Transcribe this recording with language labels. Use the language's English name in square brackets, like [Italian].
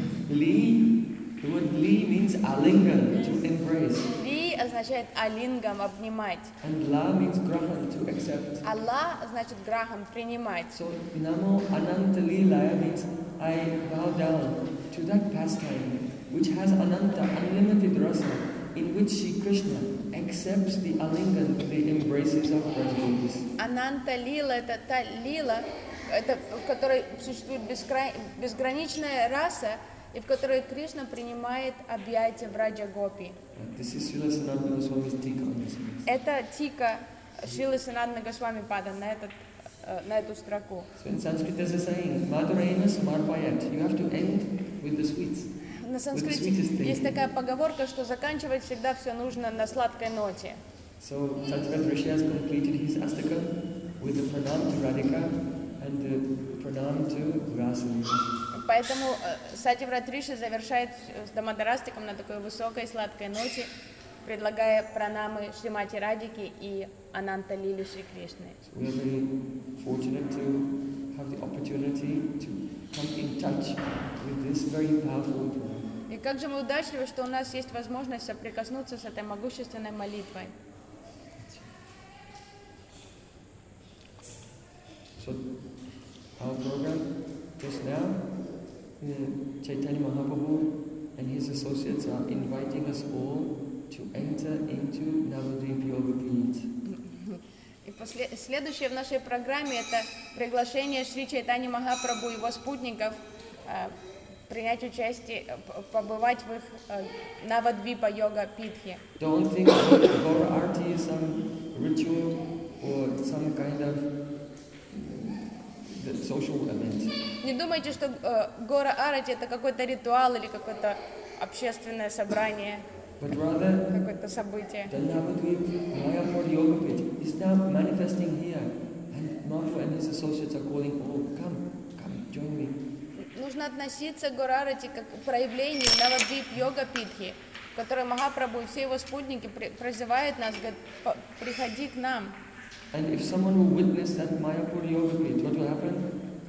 [English] Ли, the word ли means алингам, to embrace. [Russian] Ли означает алингам, обнимать. [English] And ла means грахам, to accept. [Russian] Алла значит грахам, принимать. [English] So [Sanskrit] намо ананта лилая [English] means I bow down to that pastime which has ananta, unlimited rasa, in which Shri Krishna accepts the alingan, the embraces of Rajagopis. [Russian] Ananta lila – это та лила, в которой существует безграничная раса, и в которой Кришна принимает объятия в Раджа-гопи. [English] This is Srila Sanatana Goswami's tika on this. [Russian] Это тика Srila Sanatana Goswami пада на этот. На эту строку. [English] So in Sanskrit there's a saying, [Sanskrit] Madhuraina Samarpayat. [English] You have to end with the sweets. [Russian] На санскрите есть такая поговорка, что заканчивать всегда все нужно на сладкой ноте. [English] So Sanskrit Rishi has completed his astaka with the pranam to Radhika and the pranam to Rasa. [Russian] Поэтому Сативрат Риши завершает с Дамадарастиком на такой высокой сладкой ноте, предлагая пранамы Шримати Радики и Ананта Лили Шри Кришны. [English] So we are very fortunate to have the opportunity to come in touch with this very powerful prayer. [Russian] И как же мы удачливы, что у нас есть возможность соприкоснуться с этой могущественной молитвой. [English] So our program just now, Chaitanya Mahaprabhu and his associates are inviting us all to enter into Navadvip Yoga Pit. [Russian] И следующее в нашей программе это приглашение Шри Чайтани Махапрабху и его спутников принять участие, побывать в их Навадвипа Йога Питхе. [English] Don't think that Gaura Arti is some ritual or some kind of social event. [Russian] Не думайте, что Гора Арати это какой-то ритуал или какое-то общественное собрание. [English] But rather, [Russian] какое-то событие. [English] The Navadvip Mayapur Yoga Pit is now manifesting here, and Mahaprabhu and his associates are calling all, come, join me. [Russian] Нужно относиться к Горарати как проявление Навадвип Йога Питхи, которое Махапрабху и все его спутники призывают нас, говорят, приходи к нам. [English] And if someone will witness that Mayapur Yoga Pit, what will happen?